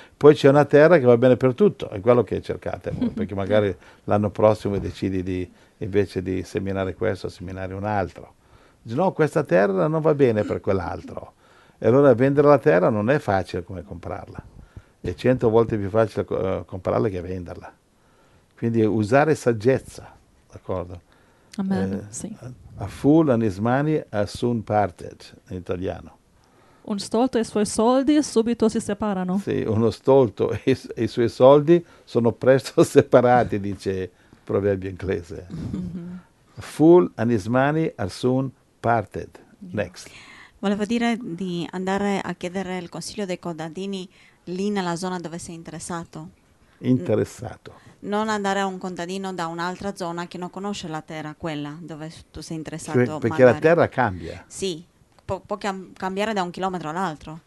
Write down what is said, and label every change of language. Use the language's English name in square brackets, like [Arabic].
[Italian] Poi c'è una terra che va bene per tutto, è quello che cercate voi, perché magari l'anno prossimo decidi di invece di seminare questo, seminare un altro. Dice, no, questa terra non va bene per quell'altro. E allora vendere la terra non è facile come comprarla. È 100 volte più facile comprarla che venderla. Quindi usare saggezza, d'accordo? Amen, [English] A [Italian] sì. [English] fool and his money are soon parted, [Italian] in italiano. Un stolto e i suoi soldi subito si separano. Sì, uno stolto e i suoi soldi sono presto separati, dice proverbio inglese. [English] A fool and his money are soon parted. Next. [Italian] Volevo dire di andare a chiedere il consiglio dei contadini lì nella zona dove sei interessato. Interessato. Non andare a un contadino da un'altra zona che non conosce la terra, quella dove tu sei Cioè, interessato, perché la magari. terra cambia. Sì, può cambiare da un chilometro all'altro.